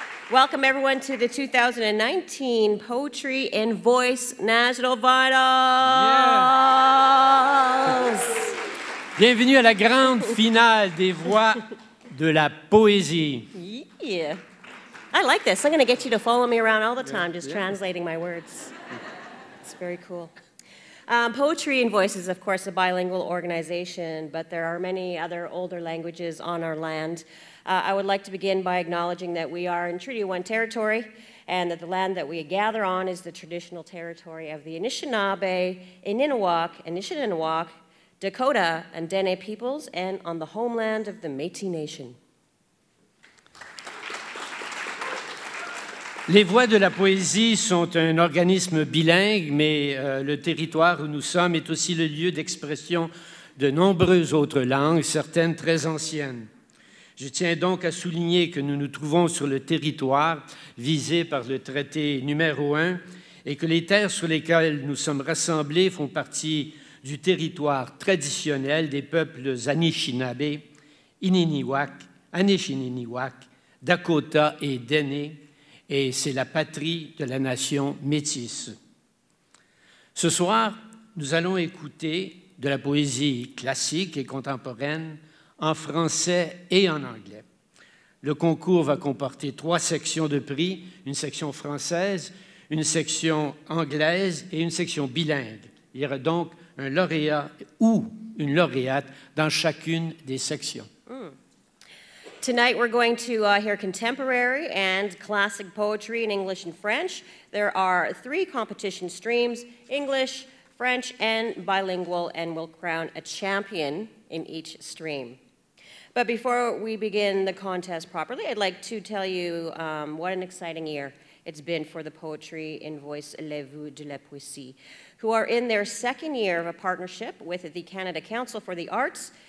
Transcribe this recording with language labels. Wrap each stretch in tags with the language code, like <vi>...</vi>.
<en>Welcome, everyone, to the 2019 Poetry and Voice National Vinyls.</en> <fr>Bienvenue à la grande finale des voix de la poésie.</fr> <en>Yeah. I like this. I'm going to get you to follow me around all the time, just translating my words. It's very cool. Poetry and Voice is, of course, a bilingual organization, but there are many other older languages on our land. I would like to begin by acknowledging that we are in Treaty 1 territory and that the land that we gather on is the traditional territory of the Anishinaabe, Ininawak, Anishinaabeg, Dakota, and Dene peoples, and on the homeland of the Métis Nation.</en> <fr>Les voix de la poésie sont un organisme bilingue, mais le territoire où nous sommes est aussi le lieu d'expression de nombreuses autres langues, certaines très anciennes. Je tiens donc à souligner que nous nous trouvons sur le territoire visé par le traité numéro 1 et que les terres sur lesquelles nous sommes rassemblés font partie du territoire traditionnel des peuples Anishinaabe, Ininiwak, Anishininiwak, Dakota et Dene, et c'est la patrie de la nation métisse. Ce soir, nous allons écouter de la poésie classique et contemporaine en français et en anglais. Le concours va comporter trois sections de prix, une section française, une section anglaise et une section bilingue. Il y aura donc un lauréat ou une lauréate dans chacune des sections.</fr> <en>Tonight we're going to hear contemporary and classic poetry in English and French. There are three competition streams, English, French, and bilingual, and we'll crown a champion in each stream. But before we begin the contest properly, I'd like to tell you what an exciting year it's been for the Poetry in Voice</en> <fr>Les Voix de la Poésie,</fr> <en>who are in their second year of a partnership with the Canada Council for the Arts.</en>